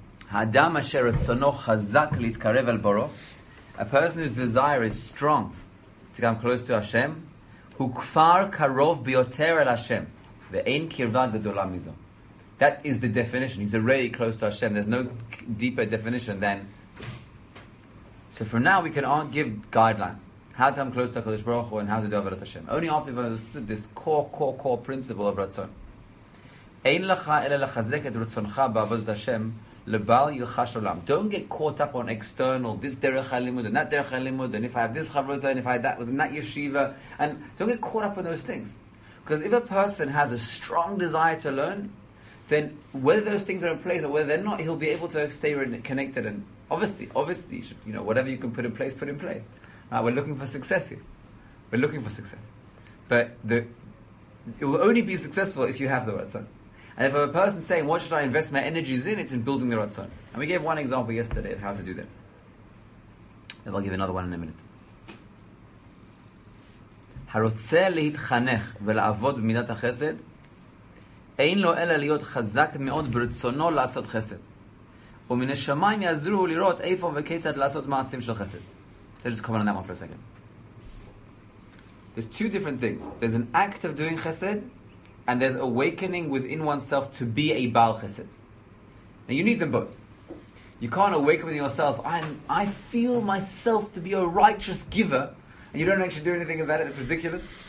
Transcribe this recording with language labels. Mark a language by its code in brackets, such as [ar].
[he] Hadam asher etzono chazak litkarev el boro, [en] a person whose desire is strong to come close to Hashem, [he] who kfar karov biyoter el Hashem, ve'ein kirva gedola mizo. [en] That is the definition. He's already close to Hashem. There's no deeper definition than. So for now, we can give guidelines. How to come close to HaKadosh Baruch Hu and how to do Avodat Hashem. Only after we've understood this core principle of Ratzon. [he] אין לך אלא לחזק את רצונך בעבודת השם לבעל ילחש עולם. [en] Don't get caught up on external, this דרך הלימוד and that דרך הלימוד, and if I have this חברות and if I that was in that yeshiva, and don't get caught up on those things. Because if a person has a strong desire to learn, then whether those things are in place or whether they're not, he'll be able to stay connected. And obviously, you should, you know, whatever you can put in place, put in place. We're looking for success here. We're looking for success. But it will only be successful if you have the ratzon. And if a person's saying, what should I invest my energies in? It's in building the ratzon. And we gave one example yesterday of how to do that. And I'll give another one in a minute. [he] הרוצה להתחנך ולעבוד במידת החסד, אין לו אלא להיות חזק מאוד ברצונו לעשות חסד. ומן השמיים יעזרו לראות איפה וכיצד לעשות מעשים של חסד. [en] Let's just comment on that one for a second. There's two different things. There's an act of doing chesed, and there's awakening within oneself to be a Baal chesed. Now you need them both. You can't awaken within yourself, I feel myself to be a righteous giver, and you don't actually do anything about it, it's ridiculous.